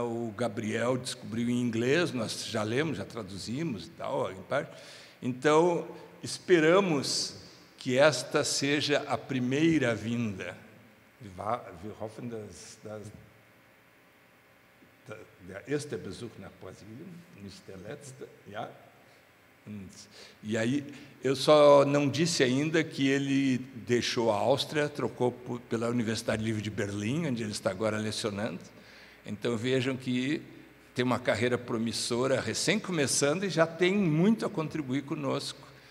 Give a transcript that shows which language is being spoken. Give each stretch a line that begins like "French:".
Portuguese: O Gabriel descobriu em inglês, nós já lemos, já traduzimos e tal, em parte. Então, esperamos que esta seja a primeira vinda.
German: Wir hoffen, dass der erste Besuch nach Brasilien, nicht der letzte. Ja?
Portuguese: E aí, eu só não disse ainda que ele deixou a Áustria, trocou pela Universidade Livre de Berlim, onde ele está agora lecionando. Então, vejam que tem uma carreira promissora recém começando e já tem muito a contribuir conosco.